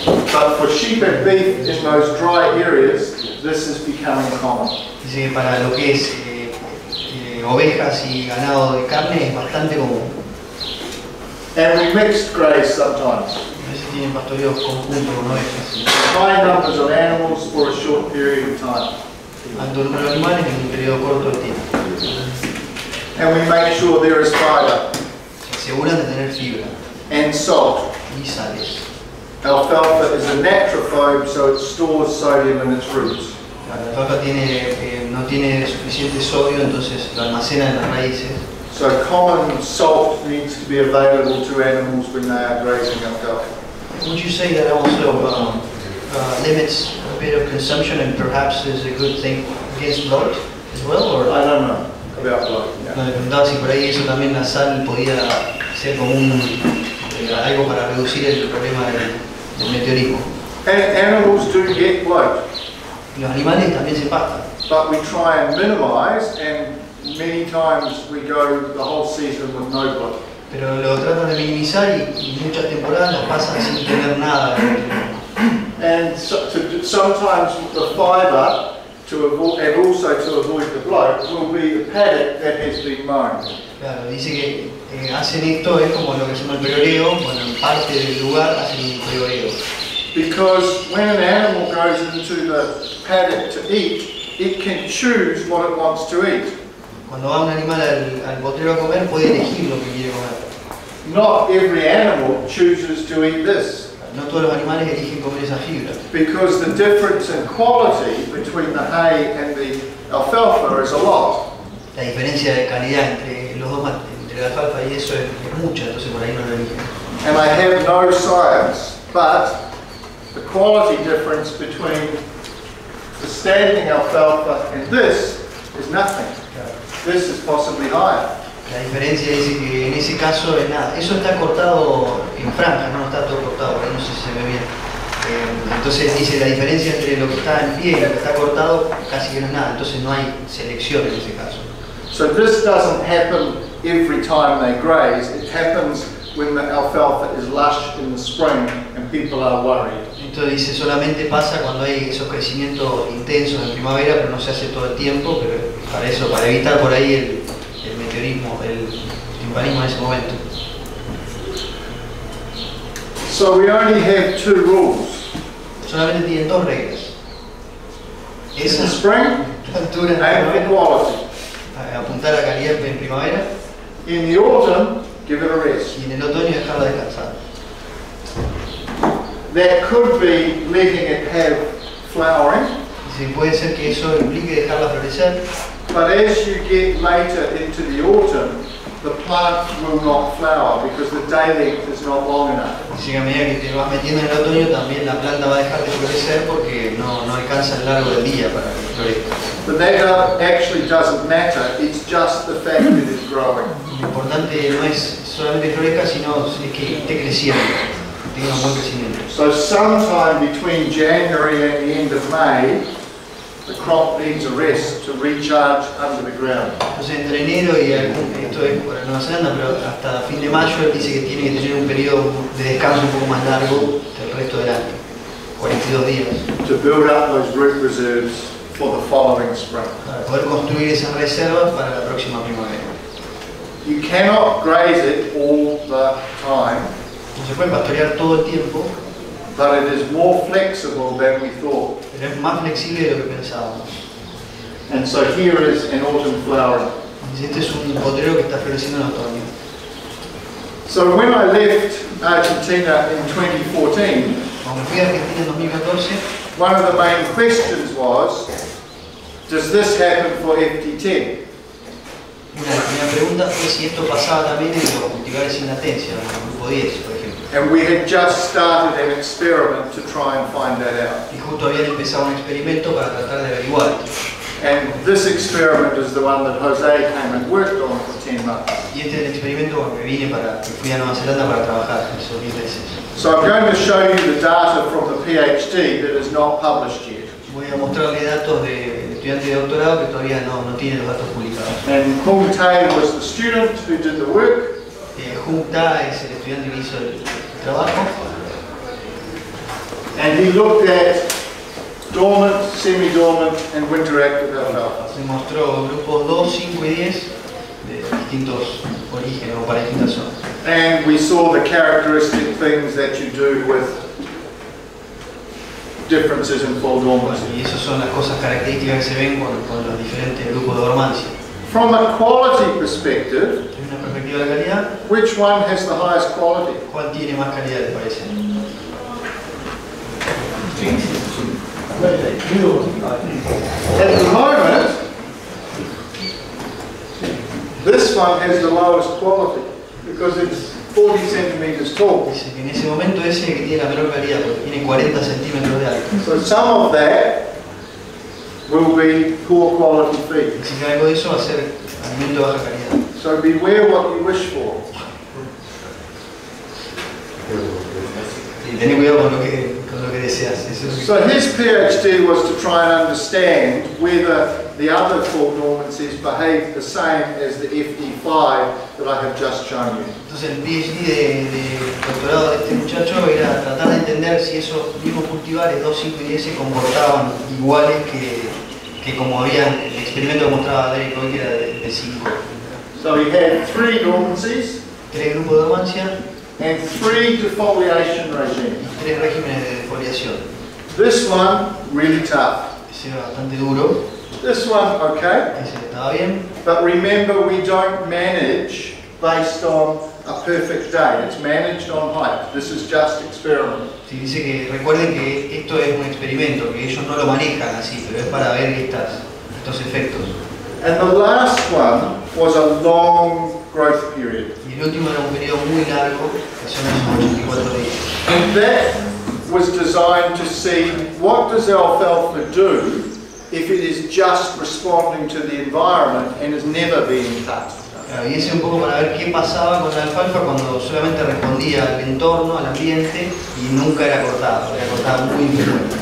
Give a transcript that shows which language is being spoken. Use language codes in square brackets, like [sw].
[en] But for sheep and beef in those dry areas, this is becoming common. [es] Dice que para lo que es ovejas y ganado de carne es bastante común. [en] And we mixed graze sometimes. [es] Tienen pastoreo conjunto con ovejas. [en] High numbers of animals for a short period of time. [es] Alto número de animales en un periodo corto de tiempo. [en] And we make sure there is fiber. [es] Se aseguran de tener fibra. [en] And salt. [es] Y sales. [en] Alfalfa is a natrophobe, so it stores sodium in its roots. [es] La alfalfa tiene, no tiene suficiente sodio, entonces lo almacena en las raíces. [en] So common salt needs to be available to animals when they are grazing alfalfa. Would you say that also limits a bit of consumption and perhaps is a good thing against bloat as well? Or? I don't know about bloat. Yeah. [es] No, preguntaba si por ahí eso también la sal podía ser como un algo para reducir el problema del meteorismo. [en] Animals do get bloat. [es] Los animales también se pastan. [en] But we try and minimize and many times we go the whole season with no bloat. [es] Pero lo tratan de minimizar y muchas temporadas lo pasan sin tener nada. [en] And so, to, sometimes the fiber to avoid, and also to avoid the bloat will be the paddock that has been mown. [es] Claro, dice que hacen esto es como lo que se llama el peoreo, bueno, en parte del lugar hacen un peoreo. [en] Because when an animal goes into the paddock to eat, it can choose what it wants to eat. [es] Cuando va un animal al botrero a comer, puede elegir lo que quiere comer. [en] Not every animal chooses to eat this. [es] No todos los animales eligen comer esa fibra. [en] Because the difference in quality between the hay and the alfalfa is a lot. [es] La diferencia de calidad entre los dos materiales. La alfalfa y eso es mucha, entonces por ahí no lo dije. [en] And I have no science, but the quality difference between the standing alfalfa and this is nothing. This is possibly higher. [es] La diferencia es que en ese caso es nada. Eso está cortado en franjas, no está todo cortado, ahí no sé si se ve bien. Entonces dice la diferencia entre lo que está en pie y lo que está cortado casi que no es nada. Entonces no hay selección en ese caso. [en] So this doesn't happen every time they graze, it happens when the alfalfa is lush in the spring and people are worried. [es] Entonces dice, solamente pasa cuando hay esos crecimientos intensos en primavera, pero no se hace todo el tiempo, pero para eso, para evitar por ahí el meteorismo, el timpanismo en ese momento. [en] So we only have two rules. [es] Solamente tienen dos reglas. Es el spring altura [en] and the quality. Quality. [es] Apuntar a calidad en primavera. [en] In the autumn, give it a rest. [es] Y en el otoño dejarla descansar. [en] That could be letting it have flowering. [es] Sí, puede ser que eso implique dejarla florecer. [en] But as you get later into the autumn, the plant will not flower because the day length is not long enough. [es] Sí, a medida que te vas metiendo en el otoño, también la planta va a dejar de florecer porque no alcanza el largo del día para que florezca. [en] The matter actually doesn't matter, it's just the fact that it's growing. [es] Lo importante no es solamente florezca, sino es que esté creciendo, tenga un buen crecimiento. [en] So sometime between January and the end of May, the crop needs a rest to recharge under the ground. [es] Entonces entre enero y esto es por Nueva Zelanda, pero hasta fin de mayo él dice que tiene que tener un periodo de descanso un poco más largo del resto del año, 42 días. [en] To build up those root reserves for the following spring. [es] Para poder construir esas reservas para la próxima primavera. [en] You cannot graze it all the time. [es] No se puede pastorear todo el tiempo. [en] But it is more flexible than we thought. [es] Pero es más flexible de lo que pensábamos. [en] And so here is an autumn flowering. [es] Este es un potrero que está floreciendo en otoño. [en] So when I left Argentina in 2014, [es] cuando fui a Argentina en 2014, [en] one of the main questions was, does this happen for FT10? [es] Una de las primeras preguntas fue si esto pasaba también en los cultivares sin latencia, en el grupo 10, por ejemplo. [en] And we had just started an experiment to try and find that out. [es] Y justo habían empezado un experimento para tratar de averiguar. [en] And this experiment is the one that Jose came and worked on for 10 months. [es] Y este es el experimento que vine para, que fui a Nueva Zelanda para trabajar esos 10 meses. [en] So I'm going to show you the data from the PhD that is not published yet. [es] Voy a mostrarle datos de estudiante de doctorado que todavía no tiene los datos publicados. [en] And Hung Tae was the student who did the work. [es] Hung Tae es el estudiante que hizo el trabajo. [en] And he looked at dormant, semi-dormant, and winter active alfalfa. [es] Se mostró grupos 2, 5 y 10 de distintos orígenes o para distintas zonas. [en] And we saw the characteristic things that you do with differences in full dormancy. [es] Y esas son las cosas características que se ven con los diferentes grupos de dormancia. [en] From a quality perspective, [es] desde una perspectiva de calidad, [en] which one has the highest quality? [es] ¿Cuál tiene más calidad, te parece? [en] At the moment, this one has the lowest quality because it's 40 centimeters tall. [es] Dice que en ese momento ese es el que tiene la menor calidad porque tiene 40 centímetros de alto. [en] So some of that will be poor quality feed. [es] Si algo de eso va a ser alimento de baja calidad. [en] So beware what you wish for. [es] Y ten cuidado con lo que deseas. [en] So his PhD was to try and understand whether the other four dormancies behave the same as the FD5 that I have just shown you. [es] Entonces el PhD de doctorado de este muchacho era tratar de entender si esos mismos cultivares 2, 5 y 10 se comportaban iguales que como habían el experimento que mostraba Derrick Moot, que era de 5. [en] So he had three dormancies. [es] Tres grupos de dormancia. [en] And three defoliation regimes. [es] Y tres regímenes de defoliación. [en] This one really tough. [es] Ese era bastante duro. [en] This one okay. [es] Ese estaba bien. [en] But remember, we don't manage based on a perfect day. It's managed on height. This is just experiment. [es] Sí, dice que recuerden que esto es un experimento, que ellos no lo manejan así, pero es para ver estos efectos. [en] And the last one was a long growth period. [es] Y el último era un periodo muy largo, que son esos 84 días. [en] And that was designed to see what does alfalfa do if it is just responding to the environment and is never being cut. [es] Claro, y ese un poco para ver qué pasaba con la alfalfa cuando solamente respondía al entorno, al ambiente, y nunca era cortada muy bien.